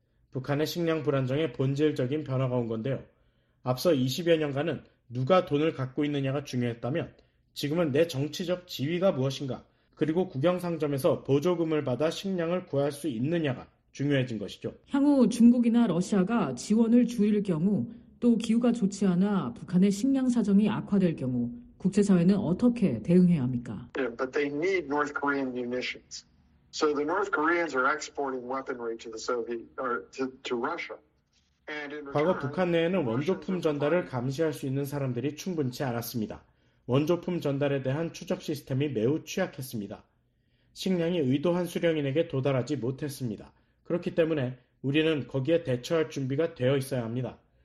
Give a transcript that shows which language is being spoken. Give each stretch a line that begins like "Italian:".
Korean: 북한의 식량 불안정에 본질적인 변화가 온 건데요. 앞서 20여 년간은 누가 돈을 갖고 있느냐가 중요했다면 지금은 내 정치적 지위가 무엇인가 그리고 국영상점에서 보조금을 받아 식량을 구할 수 있느냐가 중요해진 것이죠. 향후 중국이나 러시아가 지원을 줄일 경우 또 기후가 좋지 않아 북한의 식량 사정이 악화될 경우 국제사회는 어떻게 대응해야 합니까?
English: Yeah, but they need North Korean munitions. So the North Koreans are exporting weaponry to the Soviet or to Russia.
Korean: 과거 북한 내에는 원조품 전달을 감시할 수 있는 사람들이 충분치 않았습니다. 원조품 전달에 대한 추적 시스템이 매우 취약했습니다. 식량이 의도한 수령인에게 도달하지 못했습니다. 그렇기 때문에 우리는 거기에 대처할 준비가 되어 있어야 합니다.